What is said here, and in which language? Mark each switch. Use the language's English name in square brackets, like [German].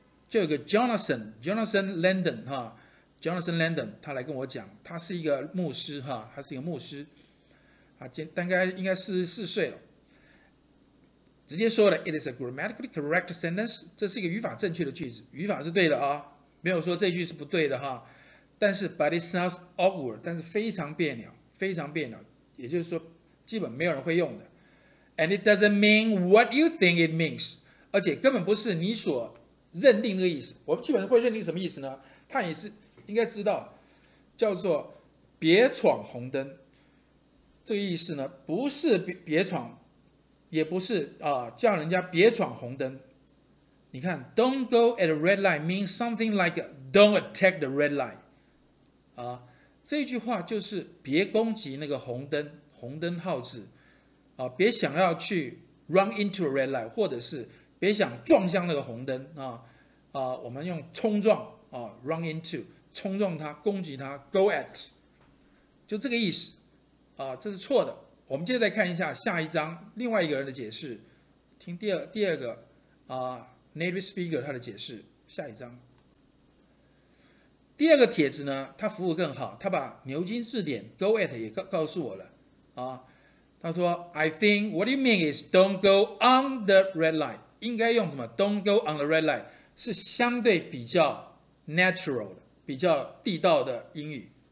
[Chinese] 就有个 Jonathan Landon 哈 ，Jonathan Landon 他来跟我讲，他是一个牧师哈，他是一个牧师啊，大概应该44岁了。直接说的 [English] It is a grammatically correct sentence， [Chinese] 这是一个语法正确的句子，语法是对的啊、没有说这句是不对的哈。但是 [English] But it sounds awkward， [Chinese] 但是非常别扭，非常别扭，也就是说基本没有人会用的。 [English] And it doesn't mean what you think it means， [Chinese] 而且根本不是你所认定的意思。我们基本会认定什么意思呢，他也是应该知道，叫做别闯红灯，这个意思呢不是 别闯，也不是、叫人家别闯红灯。你看 [English] Don't go at a red light [Chinese] means something like Don't attack the red light、这句话就是别攻击那个红灯，红灯号志、别想要去 [English] run into a red light， [Chinese] 或者是别想撞向那个红灯、我们用冲撞、run into， 冲撞它，攻击它， go at， 就这个意思、这是错的。我们接着再看一下下一章另外一个人的解释，听第二个、native speaker 他的解释。下一章第二个帖子呢，他服务更好，他把牛津字典 go at 也 告诉我了、他说 [English] I think what you mean is don't go on the red light， [Chinese] 应该用什么 [English] don't go on the red light， [Chinese] 是相对比较 natural 的，比较地道的英语、